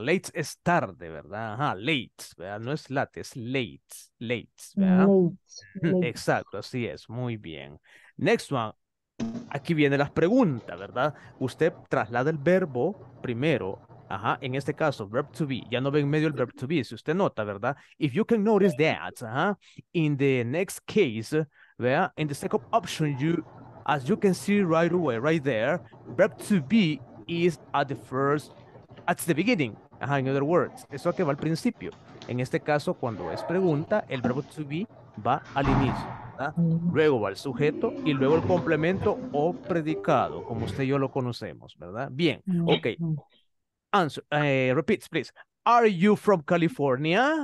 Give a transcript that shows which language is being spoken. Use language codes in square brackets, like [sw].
[es] Late es tarde, ¿verdad? Late, ¿verdad? No es late, es late, late, ¿verdad? Exacto, así es, muy bien. [en] Next one, [es] aquí vienen las preguntas, ¿verdad? Usted traslada el verbo primero, en este caso, verb to be, ya no ve en medio el verb to be, si usted nota, ¿verdad? [en] If you can notice that, in the next case, [es] ¿verdad? [en] In the second option, as you can see right away, right there, verb to be is at the first, at the beginning. In other words, [es] eso que va al principio. En este caso, cuando es pregunta, el verbo to be va al inicio, ¿verdad? Luego va el sujeto y luego el complemento o predicado, como usted y yo lo conocemos, ¿verdad? Bien, [en] ok. Repeat, please. Are you from California?